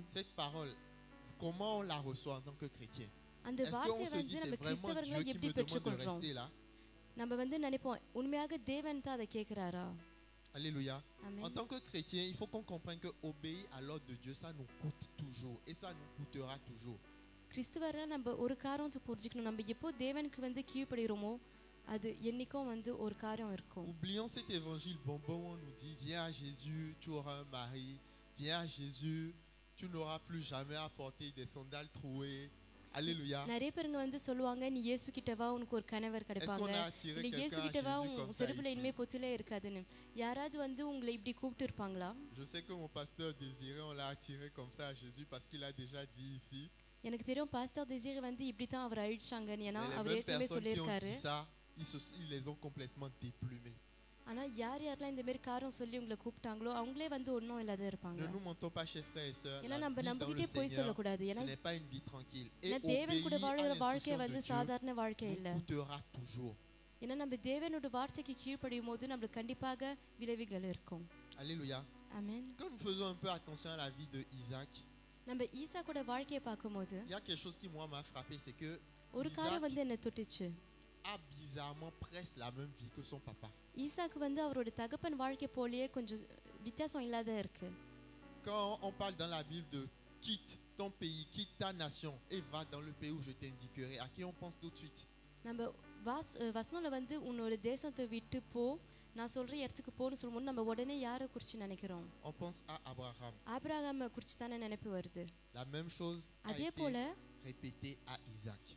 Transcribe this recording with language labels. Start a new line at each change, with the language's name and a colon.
French: Cette parole, comment on la reçoit en tant que chrétien? Est-ce qu'on se dit, c'est vraiment Dieu qui me demande de rester là?
Tamil: நம்ம வந்து நினைப்போம் உண்மையாக தேவன் தான் அதை கேட்கிறாரா
French: Alléluia. En tant que chrétien, il faut qu'on comprenne que obéir à l'ordre de Dieu, ça nous coûte toujours et ça nous coûtera toujours.
Tamil: கிறிஸ்துவரே நம்ம ஒரு காரணத்தை புரிஞ்சிக்கணும் நம்ம எப்போ தேவனுக்கு வந்து கீழ்ப்படுகிறோமோ அது என்னைக்கும் வந்து ஒரு காரியம் இருக்கும்.
French: Oublions cet évangile bonbon où on nous dit viens à Jésus, tu auras un mari, viens à Jésus, tu n'auras plus jamais à porter des sandales trouées. Alléluia.
Tamil: நிறைய பேருங்க வந்து சொல்லுவாங்க நீ இயேசு கிட்ட வா உனக்கு ஒரு கனவர் கிடைப்பாங்க இல்ல இயேசு கிட்ட வா உன் செருப்புல இனிமே பொத்துலே இருக்காதுன்னு யாராவது வந்து உங்களை இப்படி கூப்பிட்டு இருப்பாங்களா
French: Je sais que mon pasteur Désiré on l'a attiré comme ça à Jésus parce qu'il a déjà dit ici
Tamil: எனக்கு தெரியும் பாஸ்டர் Désiré வந்து இப்படி தான் அவர் அழிச்சாங்க ஏன்னா அவர் ஏற்கனவே சொல்லியிருக்காரு
French: ils les ont complètement déplumés
Tamil: ஆனா யார் யாரெல்லாம் இந்த மாதிரி காரணம் சொல்லி உங்களை கூப்பிட்டாங்களோ அவங்களே வந்து ஒன்றும் இல்லாத இருப்பாங்க
French: Ne nous mentons pas, chers frères et sœurs.
Tamil: ஏன்னா நம்ம நம்பிக்கிட்டே போய் சொல்லக்கூடாது.
French: Ce n'est pas une vie tranquille.
Tamil: Et தேவன் கூட வாழ்கிற வாழ்க்கை வந்து சாதாரண வாழ்க்கை இல்ல.
French: Coûtera toujours.
Tamil: ஏன்னா நம்ம தேவனோட வார்த்தைக்கு கீழ்ப்படியும் போது நம்மளுக்கு கண்டிப்பாக விளைவுகள் இருக்கும்.
French: Alléluia. Amen. Quand nous faisons un peu attention à la vie de Isaac,
Tamil: நம்ம ஈசாக்கோட வாழ்க்கையை பார்க்கும்போது,
French: il y a quelque chose qui moi m'a frappé, c'est que
Tamil: ஒரு காரியம் வந்து என்ன தொட்டுச்சு.
French: A bizarrement presque la même vie que son papa.
Tamil: Isaac வந்து அவரோட தகப்பன் வாழ்க்கை போலயே கொஞ்சம் வித்தியாசம் இல்லாத இருக்கு.
French: Quand on parle dans la Bible de quitte ton pays, quitte ta nation et va dans le pays où je t'indiquerai, à qui on pense tout de suite?
Tamil: நம்ம வசனல வந்து உன்னோட தேசத்தை விட்டு போ, நான் சொல்ற இடத்துக்கு போனு சொல்லும்போது நம்ம உடனே யாரை குறிச்சு நினைக்கிறோம்?
French: On pense à Abraham.
Tamil: ஆபிரகாம குறிச்சு தான நினைப்பு வருது.
French: La même chose a été répétée à Isaac.